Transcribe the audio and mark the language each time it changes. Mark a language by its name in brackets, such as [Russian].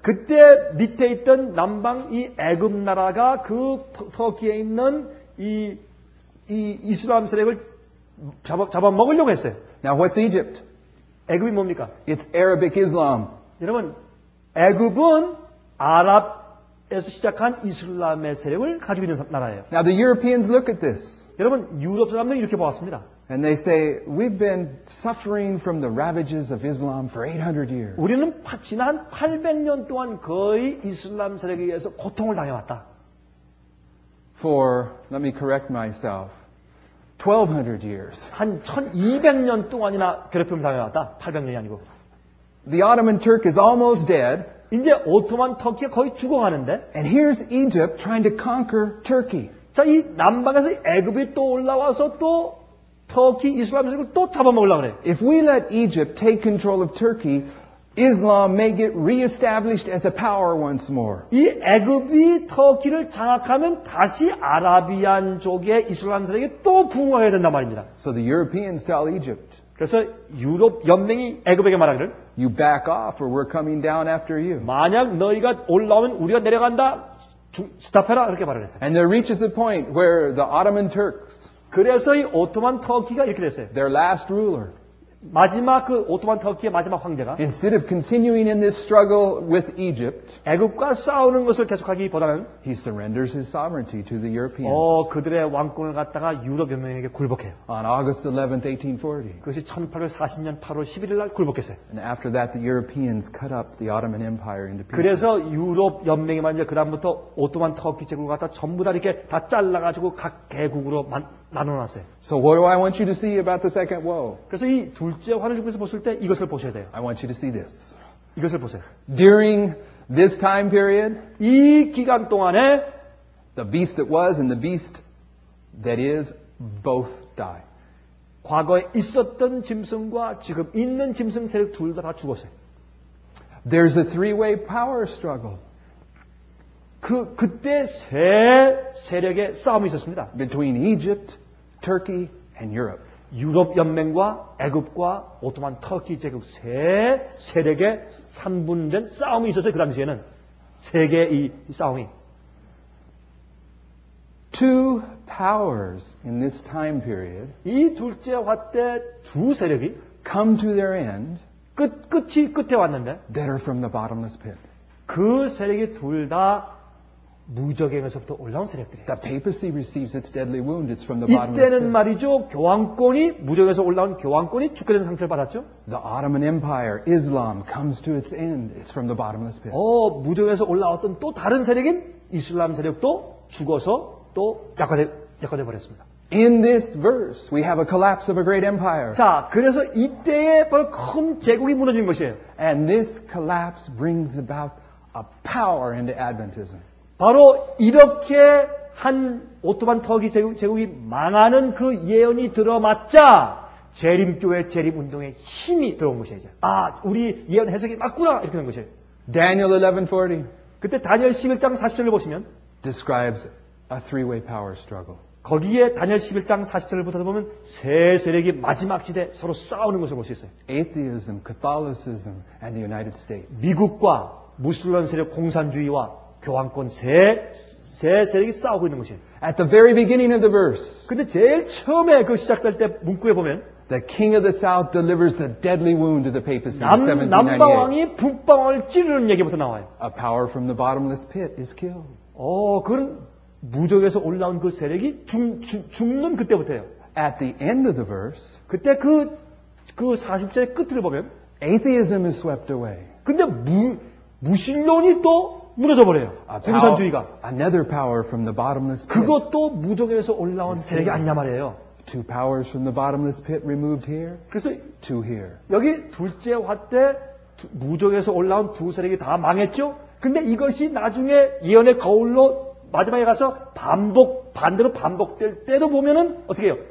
[Korean] 그때 밑에 있던 남방 이 애굽 나라가 그 터키에 있는 이 이슬람 세력을 잡아먹으려고 했어요. [English] Now what's Egypt? [Korean] 애굽이 뭡니까? [English] It's Arabic Islam. [Korean] 여러분, 애굽은 아랍에서 시작한 이슬람의 세력을 가지고 있는 나라예요. [English] Now the Europeans look at this. [Korean] 여러분, 유럽 사람들이 이렇게 보았습니다. [English] And they say, we've been suffering from the ravages of Islam for 800 years. [Korean] 우리는 지난 800년 동안 거의 이슬람 세력에 의해서 고통을 당해왔다. [English] For, let me correct myself. 1200 years. [Korean] 한 1200년 동안이나 괴롭힘을 당해왔다. 800년이 아니고. [English] The Ottoman Turk is almost dead. [Korean] 이제 오토만 터키가 거의 죽어가는데. [English] And here's Egypt trying to conquer Turkey. [Korean] 자, 이 남방에서 애굽이 또 올라와서 또 터키 이슬람 세력을 또 잡아먹으려고 그래. [English] If we let Egypt take control of Turkey, Islam may get re-established as a power once more. [Korean] 이 애굽이 터키를 장악하면 다시 아라비안 족의 이슬람 세력이 또 부흥해야 된단 말입니다. [English] So the Europeans tell Egypt. [Korean] 그래서 유럽 연맹이 애굽에게 말하기를 [English] You back off or we're coming down after you. [Korean] 만약 너희가 올라오면 우리가 내려간다. 스탑해라 이렇게 말을 했어요. [English] And there reaches a point where the Ottoman Turks [Korean] 그래서 이 오토만 터키가 이렇게 됐어요. [English] Their last ruler [Korean] 마지막 그 오토만 터키의 마지막 황제가 [English] Instead of continuing in this struggle with Egypt, [Korean] 애굽과 싸우는 것을 계속하기보다는 [English] he surrenders his sovereignty to the Europeans. [Korean] 그들의 왕권을 갖다가 유럽 연맹에게 굴복해요. [English] On August 11, 1840. [Korean] 그것이 1840년 8월 11일 날 굴복했어요. [English] And after that, the Europeans cut up the Ottoman Empire into pieces. [Korean] 그래서 유럽 연맹이 말이죠. 그다음부터 오토만 터키 제국을 갖다 전부 다 이렇게 다 잘라가지고 각 개국으로 나눠놨어요. [English] So what do I want you to see about the second woe? [Korean] 그래서 이 둘째 화를 중에서 보실 때 이것을 보셔야 돼요. [English] I want you to see this. [Korean] 이것을 보세요. [English] During this time period, [Korean] 이 기간 동안에 [English] the beast that was and the beast that is both die. [Korean] 과거에 있었던 짐승과 지금 있는 짐승 세력 둘 다 죽었어요. [English] There's a three-way power struggle. [Korean] 그때 세 세력의 싸움이 있었습니다. [English] Between Egypt, Turkey, and Europe. [Korean] 유럽 연맹과 애굽과 오토만 터키 제국 세 세력의 3분된 싸움이 있었어요. 그 당시에는 세계의 이 싸움이. [English] Two powers in this time period. [Korean] 이 둘째 화 때 두 세력이 [English] come to their end. [Korean] 끝이 끝에 왔는데. [English] That are from the bottomless pit. [Korean] 그 세력이 둘 다 무적행에서부터 올라온 세력들이에요. [English] The papacy receives its deadly wound. It's from the [Korean] 이때는 bottom. 이때는 말이죠. 교황권이 무적에서 올라온 교황권이 죽게 된 상처를 받았죠. [English] The Ottoman Empire, Islam comes to its end. It's from the bottomless pit. [Korean] 무적에서 올라왔던 또 다른 세력인 이슬람 세력도 죽어서 또 약화돼 버렸습니다. [English] In this verse, we have a collapse of a great empire. [Korean] 자, 그래서 이때에 바로 큰 제국이 무너진 것이에요. [English] And this collapse brings about a power into Adventism. [Korean] 바로 이렇게 한 오토만 터키 제국이 망하는 그 예언이 들어맞자 재림교회 재림운동에 힘이 들어온 것이에요. 이제. 아, 우리 예언 해석이 맞구나 이렇게 된 것이에요. [English] Daniel 11:40. [Korean] 그때 다니엘 11장 40절을 보시면 [English] describes a three-way power struggle. [Korean] 거기에 다니엘 11장 40절을 붙여다 보면 세 세력이 마지막 시대 서로 싸우는 것을 볼 수 있어요. [English] Atheism, Catholicism, and the United States. [Korean] 미국과 무슬림 세력 공산주의와 교황권 세 세력이 싸우고 있는 것이에요. [English] At the very beginning of the verse. [Korean] 근데 제일 처음에 그 시작될 때 문구에 보면 [English] The king of the south delivers the deadly wound to the papacy in 1798. [Korean] 남방왕이 북방왕을 찌르는 얘기부터 나와요. [English] A power from the bottomless pit is killed. [Korean] 그건 무적에서 올라온 그 세력이 죽는 그때부터예요. [English] At the end of the verse. [Korean] 그때 그 40절의 끝을 보면 [English] Atheism is swept away. [Korean] 근데 무신론이 또 무너져버려요. 공산주의가. [English] Another power from the bottomless pit. [Korean] 그것도 무적에서 올라온 세력이 아니냐 말이에요. [English] Two powers from the bottomless pit removed here. [Korean] 그래서 [English] two here. [Korean] 여기 둘째 화 때 무적에서 올라온 두 세력이 다 망했죠. 근데 이것이 나중에 예언의 거울로 마지막에 가서 반대로 반복될 때도 보면은 어떻게 해요?